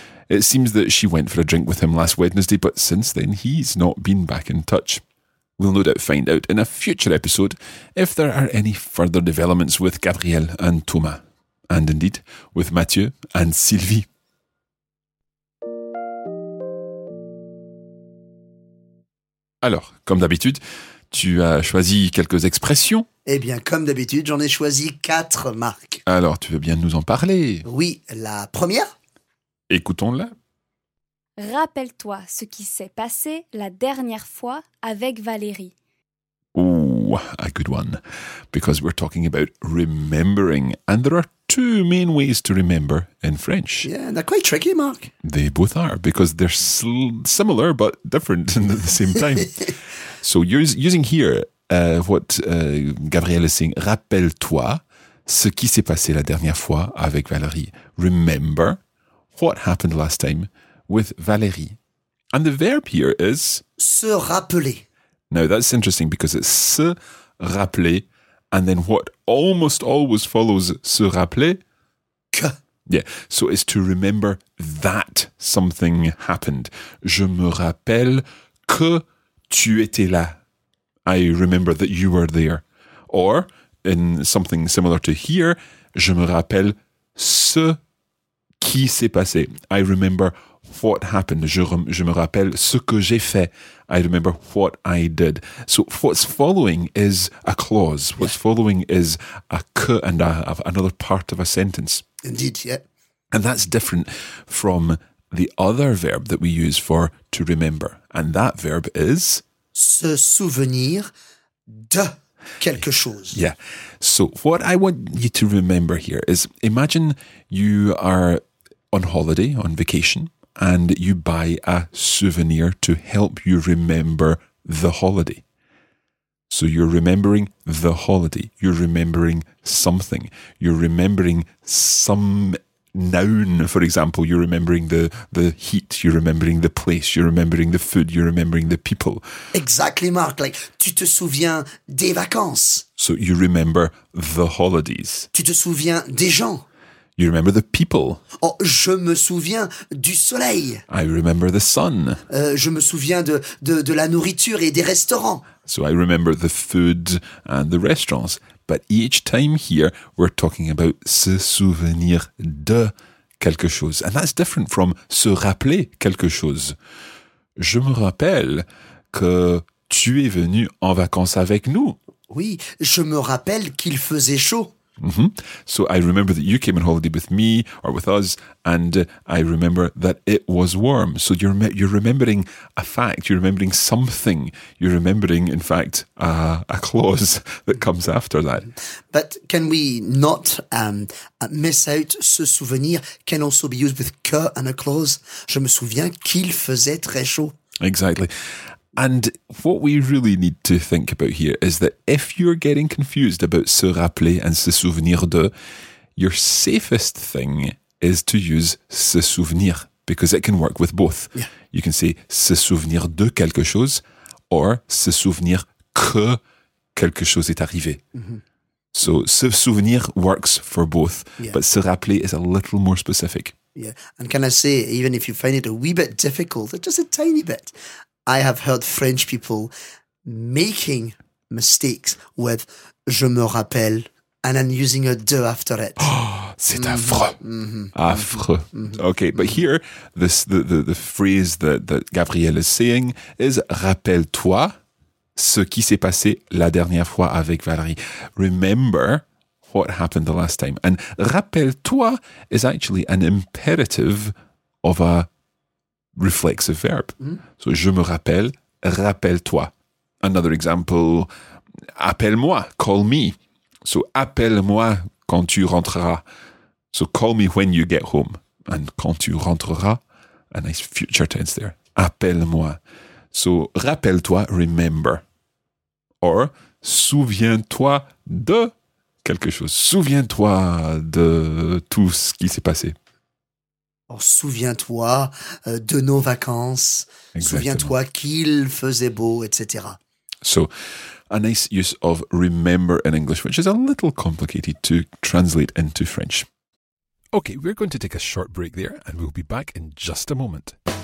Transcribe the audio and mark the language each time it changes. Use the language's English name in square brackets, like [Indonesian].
[English] It seems that she went for a drink with him last Wednesday, but since then he's not been back in touch. We'll no doubt find out in a future episode if there are any further developments with Gabrielle and Thomas, and indeed with Mathieu and Sylvie. [French] Alors, comme d'habitude, tu as choisi quelques expressions. Eh bien, comme d'habitude, j'en ai choisi quatre, Marc. Alors, tu veux bien nous en parler? Oui, la première. Écoutons-la. Rappelle-toi ce qui s'est passé la dernière fois avec Valérie. [English] Oh, a good one. Because we're talking about remembering. And there are two main ways to remember in French. Yeah, they're quite tricky, Mark. They both are, because they're similar but different at the same time. So using here Gabrielle is saying, [French] rappelle-toi ce qui s'est passé la dernière fois avec Valérie. [English] Remember what happened last time with Valérie. And the verb here is... [French] se rappeler. [English] Now that's interesting because it's se rappeler. And then what almost always follows se rappeler? [French] Que. [English] Yeah, so it's to remember that something happened. [French] Je me rappelle que tu étais là. [English] I remember that you were there. Or, in something similar to here, [French] je me rappelle ce qui s'est passé. [English] I remember what happened. [French] Je me rappelle ce que j'ai fait. [English] I remember what I did. So what's following is a clause. What's following is a que and another part of a sentence. Indeed, yeah. And that's different from the other verb that we use for to remember. And that verb is... [French] se souvenir de quelque chose. [English] Yeah. So what I want you to remember here is imagine you are on holiday, on vacation, and you buy a souvenir to help you remember the holiday. So you're remembering the holiday. You're remembering something. You're remembering some noun, for example. You're remembering the heat. You're remembering the place. You're remembering the food. You're remembering the people. Exactly, Mark. Like, [French] tu te souviens des vacances. [English] So you remember the holidays. [French] Tu te souviens des gens. [English] You remember the people. [French] Oh, je me souviens du soleil. [English] I remember the sun. [French] Je me souviens de la nourriture et des restaurants. [English] So I remember the food and the restaurants. But each time here, we're talking about [French] se souvenir de quelque chose. [English] And that's different from [French] se rappeler quelque chose. Je me rappelle que tu es venu en vacances avec nous. Oui, je me rappelle qu'il faisait chaud. Mm-hmm. [English] So I remember that you came on holiday with me or with us, and I remember that it was warm. So you're remembering a fact, you're remembering something, you're remembering, in fact, a clause that comes after that. But can we not miss out ce souvenir can also be used with que and a clause? [French] Je me souviens qu'il faisait très chaud. [English] Exactly. And what we really need to think about here is that if you're getting confused about se rappeler and se souvenir de, your safest thing is to use se souvenir, because it can work with both. Yeah. You can say [French] se souvenir de quelque chose or se souvenir que quelque chose est arrivé. Mm-hmm. [English] So se souvenir works for both, yeah. But se rappeler is a little more specific. Yeah, and can I say, even if you find it a wee bit difficult, just a tiny bit, I have heard French people making mistakes with [French] je me rappelle [English] and then using a de after it. [French] Oh, c'est affreux. Mm-hmm. Affreux. Mm-hmm. [English] Okay, but here, this the phrase that Gabriel is saying is [French] rappelle-toi ce qui s'est passé la dernière fois avec Valérie. [English] Remember what happened the last time. And rappelle-toi is actually an imperative of a reflexive verb. Mm-hmm. So, [French] je me rappelle, rappelle-toi. [English] Another example, [French] appelle-moi, [English] call me. [French] So, appelle-moi quand tu rentreras. [English] So, call me when you get home. And [French] quand tu rentreras, [English] a nice future tense there. [French] Appelle-moi. [English] So, [French] rappelle-toi, [English] remember. [French] Or, souviens-toi de quelque chose. Souviens-toi de tout ce qui s'est passé. Oh, souviens-toi de nos vacances, exactement. Souviens-toi qu'il faisait beau, etc. [English] So, a nice use of remember in English, which is a little complicated to translate into French. Okay, we're going to take a short break there, and we'll be back in just a moment.